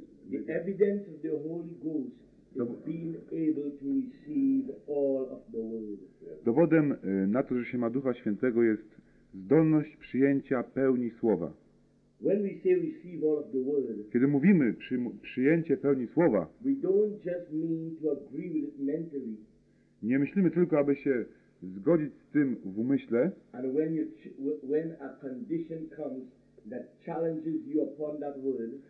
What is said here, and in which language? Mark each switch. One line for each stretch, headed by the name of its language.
English: The evidence of the Holy Ghost is being able to receive all of the word.
Polish: Dowodem na to, że się ma Ducha Świętego, jest zdolność przyjęcia pełni słowa.
English: When we say receive all of the word,
Polish: kiedy mówimy przyjęcie pełni słowa,
English: we don't just mean to agree with it mentally.
Polish: Nie myślimy tylko, aby się zgodzić z tym w umyśle.
English: And when you when a condition comes that challenges you upon that word,